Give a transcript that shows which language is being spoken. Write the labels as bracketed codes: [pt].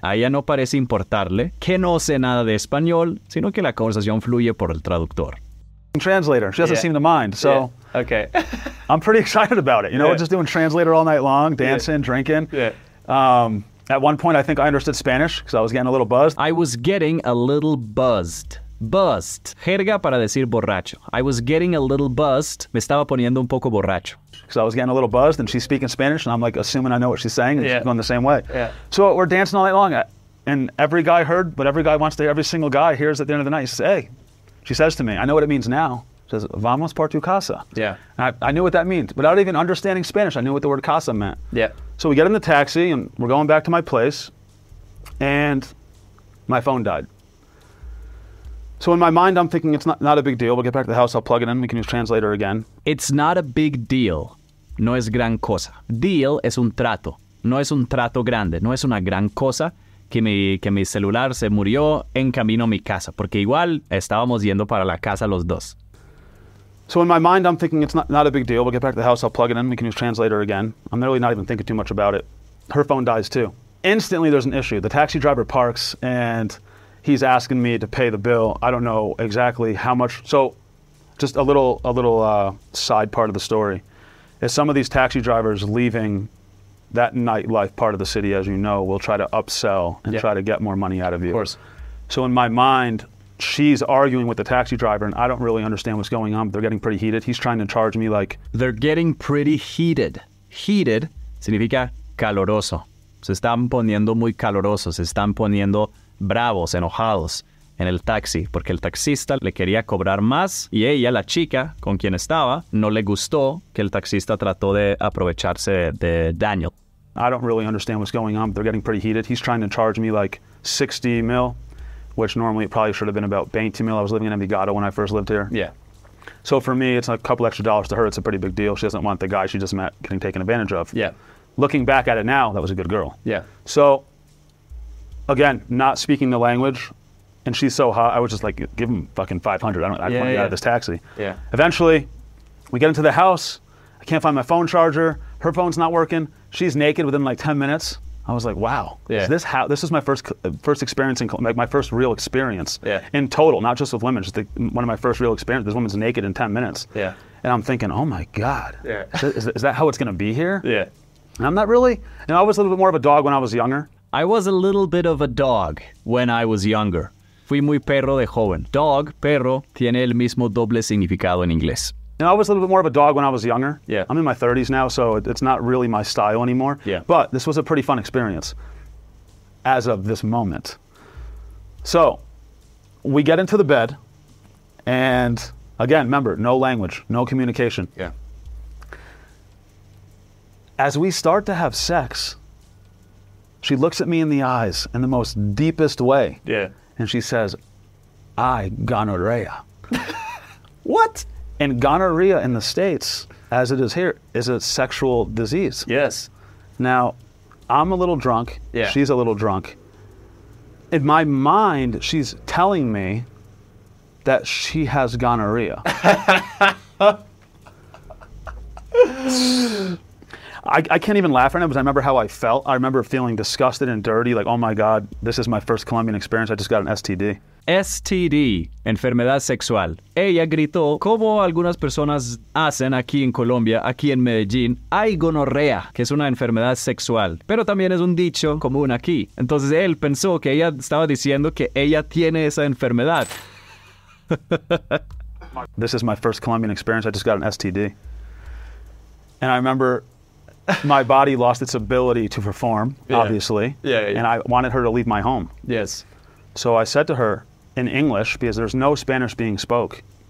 [es] A ella no parece importarle, que no sé nada de español, sino que la conversación fluye por el traductor. [en] Translator. She doesn't seem to mind. So, okay. I'm pretty excited about it. You know, we're just doing translator all night long, dancing, drinking. At one point, I think I understood Spanish because I was getting a little buzzed. I was getting a little buzzed. Buzzed. [es] Jerga para decir borracho. [en] I was getting a little buzzed. [es] Me estaba poniendo un poco borracho. [en] Because I was getting a little buzzed and she's speaking Spanish and I'm like assuming I know what she's saying and she's going the same way. Yeah. So we're dancing all night long and every guy heard, but every guy wants to hear, every single guy hears at the end of the night. He says, hey. She says to me, I know what it means now. She says, [es] vamos por tu casa. [en] Yeah. I knew what that means. Without even understanding Spanish, I knew what the word casa meant. Yeah. So we get in the taxi and we're going back to my place and my phone died. So in my mind, I'm thinking it's not a big deal. We'll get back to the house. I'll plug it in. We can use translator again. It's not a big deal. [es] No es gran cosa. Deal es un trato. No es un trato grande. No es una gran cosa que mi celular se murió en camino a mi casa. Porque igual estábamos yendo para la casa los dos. [en] So in my mind, I'm thinking it's not a big deal. We'll get back to the house. I'll plug it in. We can use translator again. I'm literally not even thinking too much about it. Her phone dies too. Instantly, there's an issue. The taxi driver parks and he's asking me to pay the bill. I don't know exactly how much. So just a little side part of the story is some of these taxi drivers leaving that nightlife part of the city, as you know, will try to upsell and try to get more money out of you. Of course. So in my mind, she's arguing with the taxi driver and I don't really understand what's going on, but they're getting pretty heated. He's trying to charge me like... They're getting pretty heated. [es] Heated significa caloroso. Se están poniendo muy calorosos. Se están poniendo bravos, enojados en el taxi, porque el taxista le quería cobrar más y ella, la chica con quien estaba, no le gustó que el taxista trató de aprovecharse de Daniel. [en] I don't really understand what's going on, but they're getting pretty heated. He's trying to charge me like 60 mil, which normally it probably should have been about 20 mil. I was living in Envigado when I first lived here. Yeah. So for me, it's a couple extra dollars. To her, it's a pretty big deal. She doesn't want the guy she just met getting taken advantage of. Yeah. Looking back at it now, that was a good girl. Yeah. So, again, not speaking the language, and she's so hot, I was just like, give him fucking 500. I don't want to get out of this taxi. Yeah. Eventually, we get into the house. I can't find my phone charger. Her phone's not working. She's naked within like 10 minutes. I was like, wow. Yeah. This is my first experience, my first real experience in total, not just with women. Just one of my first real experiences. This woman's naked in 10 minutes. Yeah. And I'm thinking, oh my God. Yeah. Is that how it's going to be here? Yeah. And I'm not really. And I was a little bit more of a dog when I was younger. I was a little bit of a dog when I was younger. [es] Fui muy perro de joven. Dog, perro, tiene el mismo doble significado en inglés. [en] And I was a little bit more of a dog when I was younger. Yeah. I'm in my 30s now, so it's not really my style anymore. Yeah. But this was a pretty fun experience as of this moment. So we get into the bed, and again, remember, no language, no communication. Yeah. As we start to have sex, she looks at me in the eyes in the most deepest way. Yeah. And she says, I gonorrhea. What? And gonorrhea in the States, as it is here, is a sexual disease. Yes. Now, I'm a little drunk. Yeah. She's a little drunk. In my mind, she's telling me that she has gonorrhea. I can't even laugh right now because I remember how I felt. I remember feeling disgusted and dirty, like, oh my God, this is my first Colombian experience. I just got an STD. [es] STD, enfermedad sexual. Ella gritó, como algunas personas hacen aquí en Colombia, aquí en Medellín, hay gonorrea, que es una enfermedad sexual. Pero también es un dicho común aquí. Entonces él pensó que ella estaba diciendo que ella tiene esa enfermedad. [en] This is my first Colombian experience. I just got an STD. And I remember... My body lost its ability to perform, obviously. Yeah. And I wanted her to leave my home. Yes. So I said to her in English, because there's no Spanish being spoke.